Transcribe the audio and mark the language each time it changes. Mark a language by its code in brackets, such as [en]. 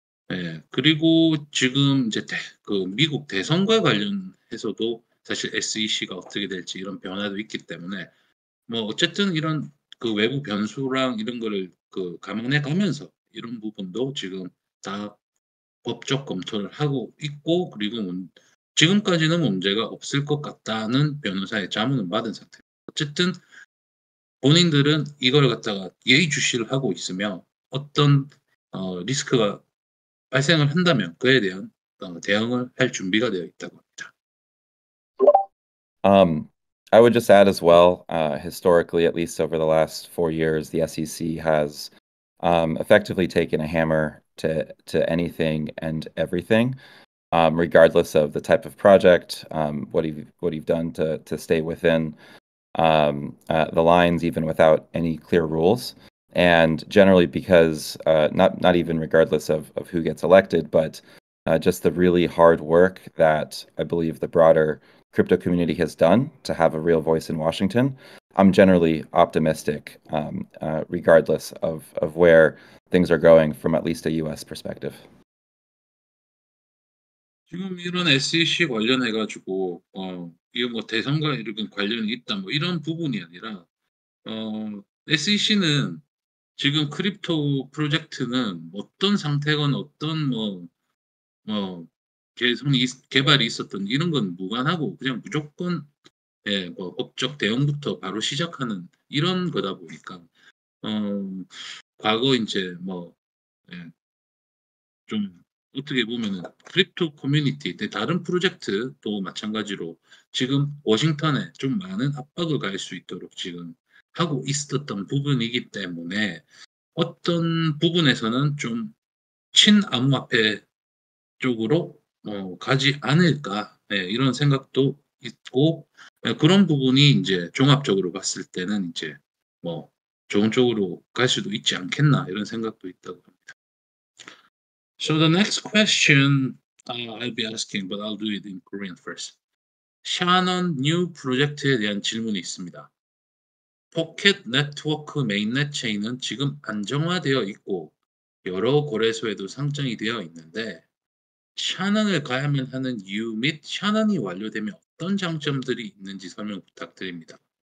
[ko] 예, 그리고 지금 이제 그 미국 대선과 관련해서도 사실 SEC가 어떻게 될지 이런 변화도 있기 때문에 뭐 어쨌든 이런 그 외부 변수랑 이런 거를 그 감안해 가면서 이런 부분도 지금 다 법적 검토를 하고 있고, 그리고 지금까지는 문제가 없을 것 같다는 변호사의 자문을 받은 상태. 어쨌든 본인들은 이걸 갖다가 예의주시를 하고 있으며 어떤 리스크가 발생을 한다면 그에 대한 대응을 할 준비가 되어 있다고 합니다. [en] I would just add as well, historically, at least over the last 4 years, the SEC has effectively taken a hammer to anything and everything, regardless of the type of project, what you've done to stay within the lines, even without any clear rules, and generally because not even regardless of who gets elected, but just the really hard work that I believe the broader crypto community has done to have a real voice in Washington, I'm generally optimistic, regardless of where things are going from at least a U.S. perspective. [ko] 지금 이런 SEC 관련해가지고 이거 뭐 대선과 이런 관련이 있다 뭐 이런 부분이 아니라 SEC는 지금 크립토 프로젝트는 어떤 상태건 어떤 뭐 개발이 있었던 이런 건 무관하고 그냥 무조건 예, 뭐 법적 대응부터 바로 시작하는 이런 거다 보니까 과거 이제 뭐 좀 예, 어떻게 보면은 크립토 커뮤니티 다른 프로젝트도 마찬가지로 지금 워싱턴에 좀 많은 압박을 가할 수 있도록 지금 하고 있었던 부분이기 때문에 어떤 부분에서는 좀 친암호화폐 쪽으로 가지 않을까 예, 이런 생각도 있고 예, 그런 부분이 이제 종합적으로 봤을 때는 이제 뭐 좋은 쪽으로 갈 수도 있지 않겠나 이런 생각도 있다고 합니다. [en] So the next question I'll be asking, but I'll do it in Korean first. [ko] Shannon New Project에 대한 질문이 있습니다. Pocket Network Mainnet Chain은 지금 안정화되어 있고 여러 거래소에도 상장이 되어 있는데 샤넌을 가야만 하는 이유 및 샤넌이 완료되면 어떤 장점들이 있는지 설명 부탁드립니다.